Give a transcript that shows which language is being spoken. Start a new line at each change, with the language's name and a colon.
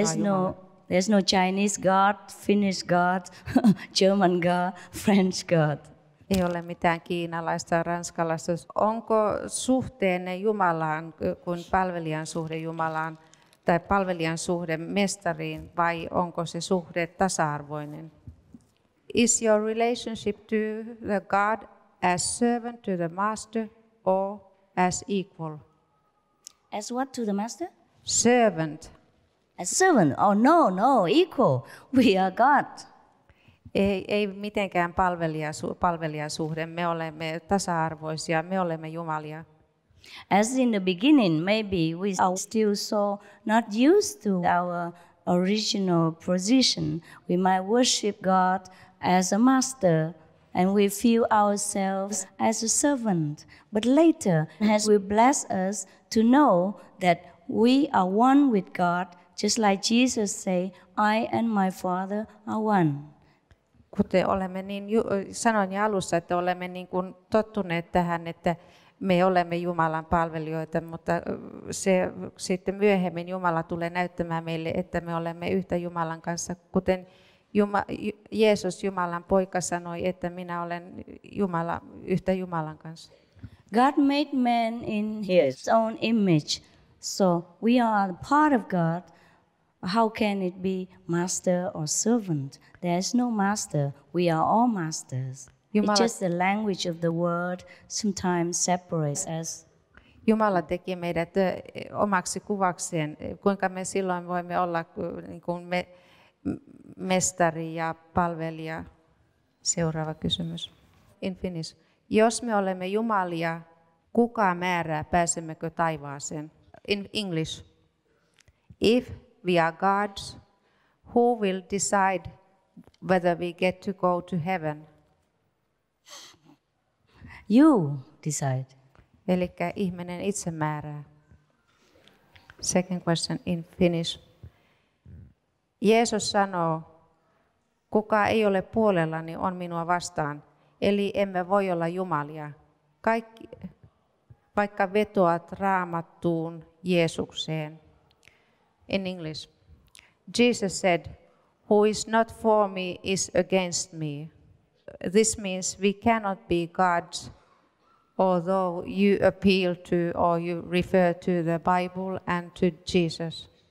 English: there's Jumala. There's no Chinese God, Finnish God, German God, French God.
Finnish: Ei ole mitään kiinalaista, ranskalaista. Onko suhteenne Jumalaan kuin palvelijan suhde Jumalaan tai palvelijan suhde mestariin, vai onko se suhde tasa-arvoinen?
English: Is your relationship to the God as servant to the master or as equal? As what to the master? Servant. As servant? Oh no, equal. We are God.
Finnish: Ei mitenkään palvelijasuhde. Me olemme tasa-arvoisia, me olemme Jumalia.
English: As in the beginning, maybe we are still so not used to our original position. We might worship God as a master, and we feel ourselves as a servant. But later, as we bless us to know that we are one with God, just like Jesus say, I and my Father are one.
Finnish: Kuten olemme niin sanoin jo alussa, että olemme niin kuin tottuneet tähän, että me olemme Jumalan palvelijoita, mutta se sitten myöhemmin Jumala tulee näyttämään meille, että me olemme yhtä Jumalan kanssa, kuten Jeesus Jumalan poika sanoi, että minä olen Jumala, yhtä Jumalan kanssa.
English: God made man in his own image, so we are part of God. How can it be master or servant? There is no master. We are all masters. It's just the language of the word sometimes separates us.
Finnish: Jumala teki meidät omaksi kuvakseen. Kuinka me silloin voimme olla niin kuin mestari ja palvelija? Seuraava kysymys.
English: In Finnish.
Finnish: Jos me olemme Jumalia, kuka määrää, pääsemmekö taivaaseen?
English: In English. If we are gods, who will decide whether we get to go to heaven? You decide.
Finnish: Eli ihminen itse määrää.
English: Second question in Finnish.
Finnish: Jeesus sanoo, kuka ei ole puolellani on minua vastaan, eli emme voi olla jumalia. Kaikki, vaikka vetoat Raamattuun Jeesukseen.
English: In English. Jesus said, who is not for me is against me. This means we cannot be gods, although you appeal to or you refer to the Bible and to Jesus.